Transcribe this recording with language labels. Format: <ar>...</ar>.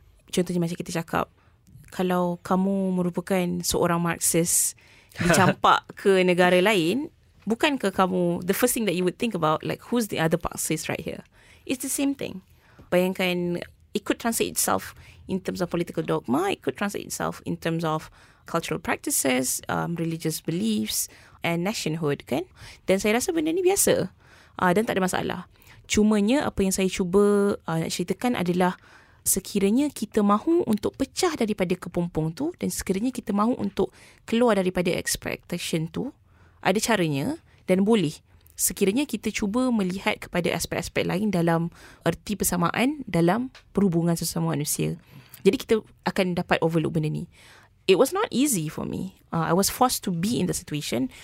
<ms>Contohnya macam kita cakap, kalau kamu merupakan seorang Marxist dicampak ke negara lain, bukankah kamu,</ms> <en>the first thing that you would think about, like, who's the other Marxist right here? It's the same thing.</en> <ms>Bayangkan,</ms> <en>it could translate itself in terms of political dogma, it could translate itself in terms of cultural practices, religious beliefs and nationhood, kan?</en> <ms>Dan saya rasa benda ni biasa dan tak ada masalah. Cumanya apa yang saya cuba nak ceritakan adalah sekiranya kita mahu untuk pecah daripada kepompong tu dan sekiranya kita mahu untuk keluar daripada expectation tu, ada caranya dan boleh. Sekiranya kita cuba melihat kepada aspek-aspek lain dalam erti persamaan dalam perhubungan sesama manusia. Jadi kita akan dapat overlook benda ni.</ms> <en>It was not easy for me. I was forced to be in the situation.</en>